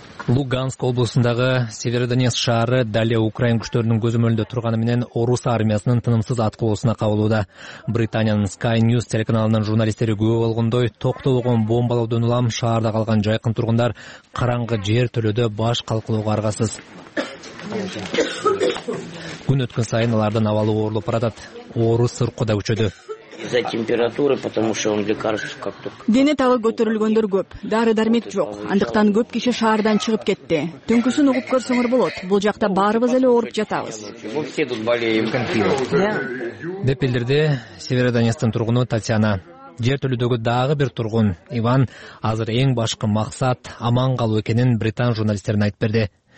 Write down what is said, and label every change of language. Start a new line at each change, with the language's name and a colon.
Kyrgyz: Луганск облусундагы Северодонецк шаары дале украин күчтөрүнүн көзөмөлүндө турганы менен орус армиясынын тынымсыз аткылоосуна кабылууда. Британиянын Sky News телеканалынын журналисттери күбө болгондой, токтолгон бомбалоодон улам шаарда калган жайкын тургундар караңгы жер төлөдө баш калкылууга аргасыз. Күн өткөн сайын алардын абалы оорулуп баратат. Орус сырку да күчөдү.
Russian: Из-за температуры, потому что он лекарств как-то.
Kyrgyz: Дене талы көтөрүлгөндөр көп. Дары-дармек жок. Андыктан көп киши шаардан чыгып кетти. Түнкүсүн угуп көрсөңөр болот. Бул жакта баарыбыз эле ооруп жатабыз.
Russian: Мы все тут болеем.
Kyrgyz: Деп билдирди Северодонецктин тургуну Татьяна. жертөлүүдөгү дагы бир тургун Иван азыр эң башкы максат аман калуу экенин британ журналисттерине айтып берди.